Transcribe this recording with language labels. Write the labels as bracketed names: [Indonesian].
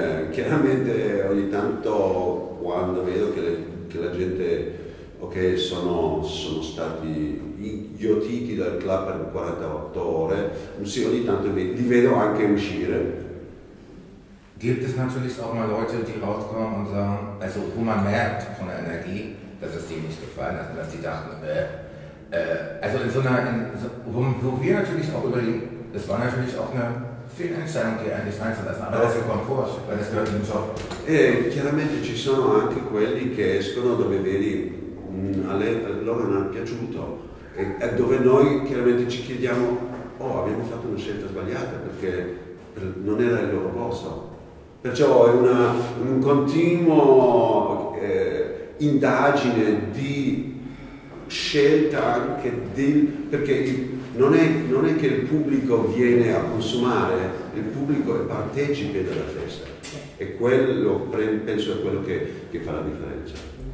[Italian] Chiaramente ogni tanto quando vedo che la gente, ok, sono stati inghiottiti dal club per 48 ore, sì, ogni tanto li vedo anche uscire. [German] Gibt es natürlich auch mal Leute, die rauskommen und sagen, also wo man merkt von der Energie, dass es denen nicht gefallen hat, dass die dachten, also wo wir natürlich auch überlegen, das war natürlich auch eine Fehlentscheidung, die eigentlich reinzulassen, aber das ist ja Komfort, weil das gehört zum Job. [Italian] E chiaramente ci sono anche quelli che escono dove vedi, loro non è piaciuto, e dove noi chiaramente ci chiediamo, oh, abbiamo fatto una scelta sbagliata perché non era il loro posto. Perciò è un continuo indagine di scelta anche perché non è che il pubblico viene a consumare, il pubblico è partecipe della festa. E quello penso è quello che fa la differenza.